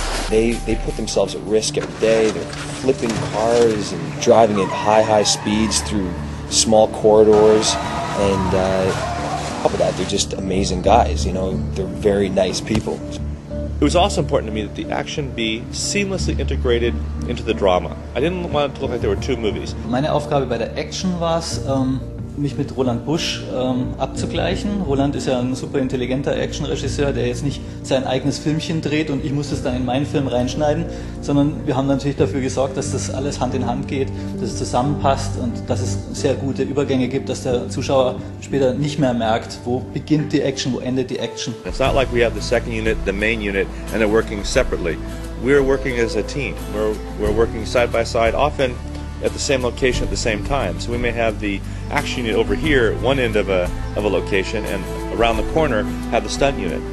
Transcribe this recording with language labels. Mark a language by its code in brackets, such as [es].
[en] They put themselves at risk every day. They're flipping cars and driving at high speeds through small corridors. And on top of that, they're just amazing guys. You know, they're very nice people. It was also important to me that the action be seamlessly integrated into the drama. I didn't want it to look like there were two movies. [de] Meine Aufgabe bei der Action war es, mich mit Roland Busch abzugleichen. Roland ist ja ein super intelligenter Actionregisseur, der jetzt nicht sein eigenes Filmchen dreht und ich muss es dann in meinen Film reinschneiden, sondern wir haben natürlich dafür gesorgt, dass das alles Hand in Hand geht, dass es zusammenpasst und dass es sehr gute Übergänge gibt, dass der Zuschauer später nicht mehr merkt, wo beginnt die Action, wo endet die Action. [en] It's not like we have the second unit, the main unit, and they're working separately. We're working as a team. We're working side by side, often at the same location at the same time. So we may have the action unit over here at one end of a location, and around the corner have the stunt unit.